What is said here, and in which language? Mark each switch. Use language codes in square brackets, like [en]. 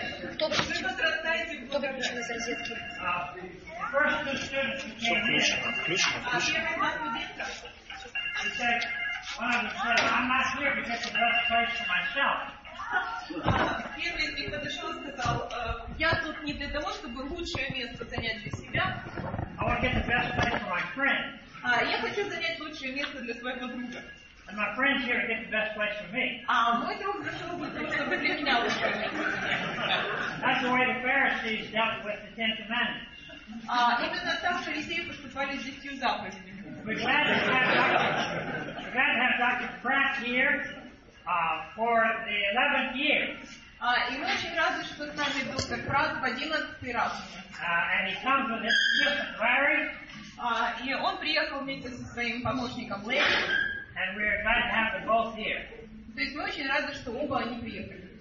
[ru] Кто возрастает в благочестии? [en] First two students who came in. [ru] Включено. [en] He said, one of them said, I'm not here to get the best place for myself. [ru] Первый из них подошел и сказал, я тут не для того, чтобы лучшее место занять для себя. [en] I want to get the best place for my friend. [ru] Я хочу занять лучшее место для своего друга. [en] And my friend here to get the best place for me. [ru] Мой друг зашел бы, чтобы для меня лучшее место. [en] That's the way the Pharisees dealt with the Ten Commandments. [ru] Именно так фарисеи поступали с десятью заповедями. [en] We're glad to have Dr. Pratt here. For the 11th year. [ru] И мы очень рады, что с нами доктор Пратт в 11-й раз. [en] And he comes with his assistant Larry. [ru] И он приехал вместе со своим помощником Larry. [en] And we're glad to have them both here. [ru] То есть мы очень рады, что оба они приехали.